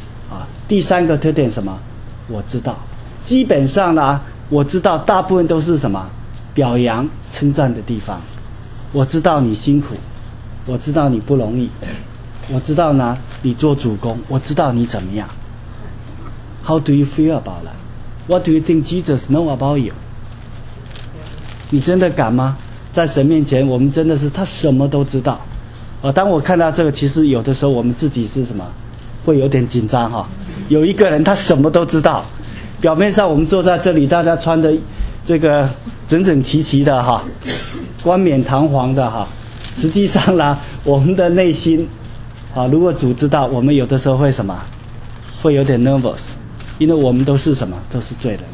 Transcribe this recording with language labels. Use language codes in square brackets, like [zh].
[zh] 啊，第三个特点什么？我知道。基本上呢，我知道大部分都是什么？表扬、称赞的地方。我知道你辛苦，我知道你不容易，我知道呢，你做主公，我知道你怎么样。 [en] How do you feel about that? What do you think Jesus know about you? [zh] 你真的敢吗？在神面前，我们真的是他什么都知道。啊，当我看到这个，其实有的时候我们自己是什么，会有点紧张哈。有一个人他什么都知道，表面上我们坐在这里，大家穿的这个整整齐齐的哈，冠冕堂皇的哈，实际上呢，我们的内心，啊，如果主知道，我们有的时候会什么，会有点 nervous， 因为我们都是什么，都是罪人。